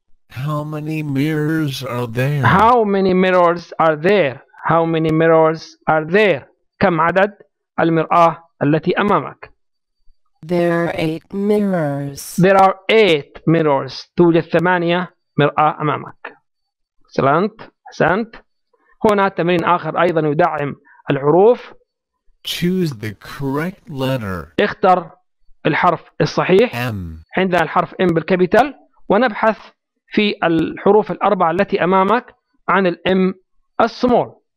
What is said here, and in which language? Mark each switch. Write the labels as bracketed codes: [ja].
[en] How many mirrors are there? How many mirrors are there? How many mirrors are there? [ar] كم عدد المرآة التي أمامك؟ [en] There are eight mirrors. There are eight mirrors. [ar] توجد ثمانية مرآة أمامك. [en] Excellent. Excellent. [ar] هنا تمرين آخر أيضا يدعم الحروف. [en] Choose the correct letter. [ar] اختر الحرف الصحيح. [en] M. [ar] عندنا الحرف M بالكابيتال ونبحث في الحروف الأربعة التي أمامك عن الM السمول.